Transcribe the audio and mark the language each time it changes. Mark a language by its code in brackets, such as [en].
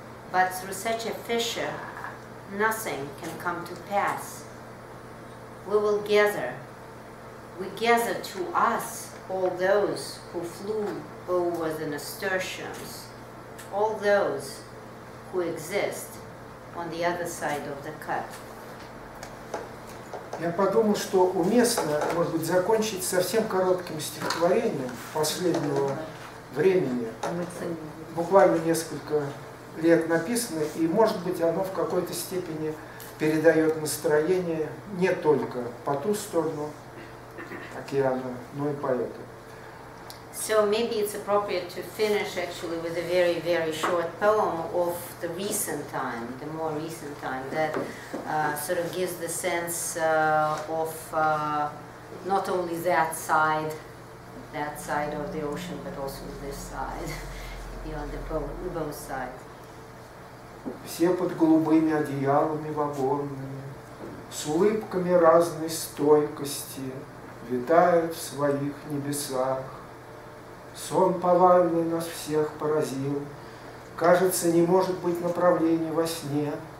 [en] But through such a fissure, nothing can come to pass. We will gather. We gather to us all those who flew over the nasturtiums, all those who exist on the other side of the cut. [ru] Я подумал, что уместно, может быть, закончить совсем коротким стихотворением последнего времени, буквально несколько лет написано, и, может быть, оно в какой-то степени передает настроение не только по ту сторону океана, но и поэту. [en] So maybe it's appropriate to finish actually with a very, very short poem of the recent time, the more recent time, that sort of gives the sense of not only that side of the ocean, but also this side, beyond the both sides. [ru] Все под голубыми одеялами вагонными, с улыбками разной стойкости, витают в своих небесах. Сон повальный нас всех поразил. Кажется, не может быть направления во сне.